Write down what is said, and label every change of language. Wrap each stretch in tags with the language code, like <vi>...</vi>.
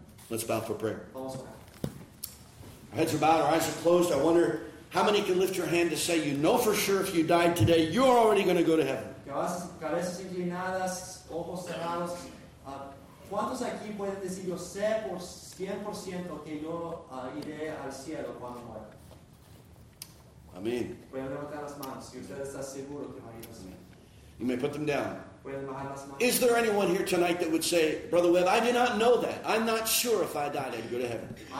<en>Let's bow for prayer. Our heads are bowed, our eyes are closed. I wonder how many can lift your hand to say, you know for sure if you died today, you're already going to go to heaven.</en> <es>Cabezas inclinadas, ojos cerrados. ¿Cuántos aquí pueden decir yo sé por 100% que yo iré al cielo cuando muera? Amén. Pueden levantar las manos. ¿Y usted está seguro que va a ir al cielo?</es> <en>You may put them down. Is there anyone here tonight that would say, Brother Webb, I do not know that. I'm not sure if I died, I'd go to heaven.</en>